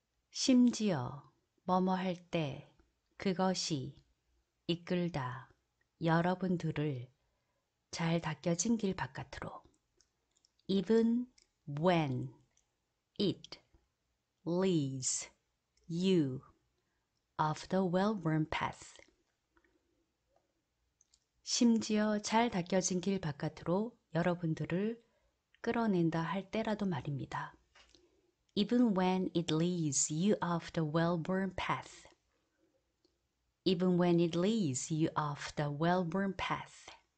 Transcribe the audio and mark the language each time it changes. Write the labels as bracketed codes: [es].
[ko] 심지어 뭐뭐 할때 그것이 이끌다 여러분들을 잘 닦여진 길 바깥으로. [en] Even when it leads you off the well-worn path. [ko] 심지어 잘 닦여진 길 바깥으로 여러분들을 끌어낸다 할 때라도 말입니다. [en] Even when it leads you off the well-worn path. Even when it leads you off the well-worn path.